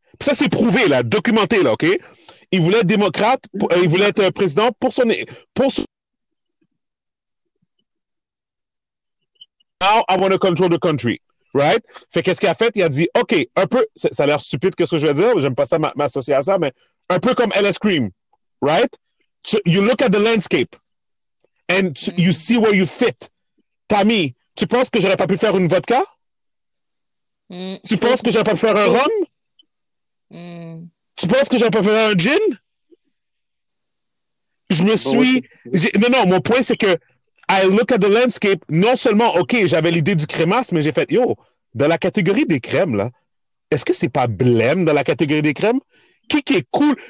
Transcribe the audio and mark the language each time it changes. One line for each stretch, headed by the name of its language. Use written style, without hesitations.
French: Ça, c'est prouvé, là, documenté, là, OK? Il voulait être démocrate, il voulait être président pour son ego.
English: Now I want to control the country. Right?
French: Fait qu'est-ce qu'il a fait? Il a dit, OK, un peu, ça a l'air stupide, qu'est-ce que je vais dire? J'aime pas ça m'associer à ça, mais un peu comme LS Cream.
English: Right? So you look at the landscape and you see where you fit.
French: Tammy, tu penses que j'aurais pas pu faire une vodka? Tu penses que j'aurais pas pu faire un rhum? Tu penses que j'aurais pas pu faire un gin? Je me suis. Non, mon point, c'est que.
English: I look at the landscape,
French: non seulement, OK, j'avais l'idée du crémasse, mais j'ai fait, yo, dans la catégorie des crèmes, là, est-ce que c'est pas blême dans la catégorie des crèmes? Qui est cool?